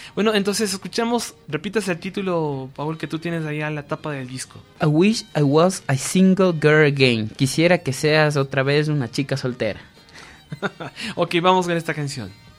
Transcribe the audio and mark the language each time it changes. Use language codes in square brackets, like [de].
[es] Bueno, entonces escuchamos, repítase el título, Paul, que tú tienes allá en la tapa del disco. [en] I wish I was a single girl again. [es] Quisiera que seas otra vez una chica soltera. Ok, vamos con esta canción.